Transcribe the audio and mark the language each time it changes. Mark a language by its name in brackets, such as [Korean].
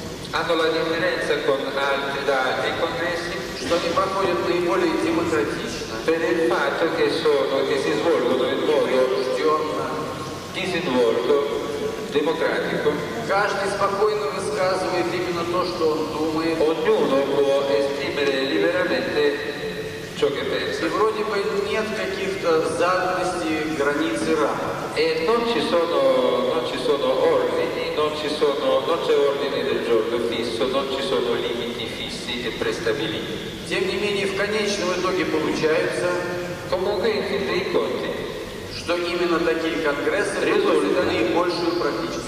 [Italian] hanno la differenza con altri da altri congressi [Russian] что они проходят наиболее демократично [Italian] per il fatto che si svolgono in modo disinvolto, democratico. [Russian] Каждый спокойно высказывает именно то, что он думает. [Italian] Ognuno può esprimere liberamente ciò che pensa. [Russian] И вроде бы нет каких-то заданностей, границ и рам. [Italian] E non ci sono ordini, non c'è ordine del giorno fisso, non ci sono limiti fissi e prestabiliti. [Russian] Тем не менее, в конечном итоге получается. что именно такие конгрессы результат наибольшую практическую.